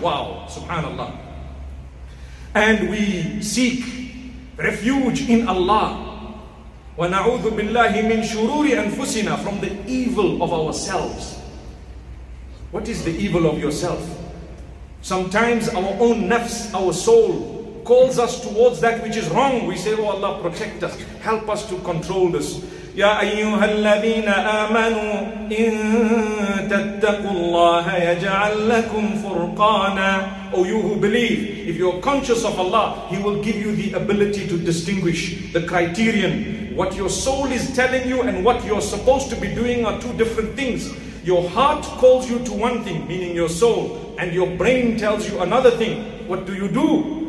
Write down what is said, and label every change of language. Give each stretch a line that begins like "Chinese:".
English: Wow, subhanAllah. And we seek refuge in Allah.
Arabic: وَنَعُوذُ بِاللَّهِ مِنْ شُرُورِ أَنفُسِنَا.
English: From the evil of ourselves. What is the evil of yourself? Sometimes our own nafs, our soul, calls us towards that which is wrong. We say, oh Allah, protect us. Help us to control this.
Arabic: يا أيها الذين آمنوا إن تتقوا الله يجعل لكم فرقانا.
English: Oh you who believe, if you're conscious of Allah, He will give you the ability to distinguish the criterion. What your soul is telling you and what you're supposed to be doing are two different things. Your heart calls you to one thing, meaning your soul, and your brain tells you another thing. What do you do?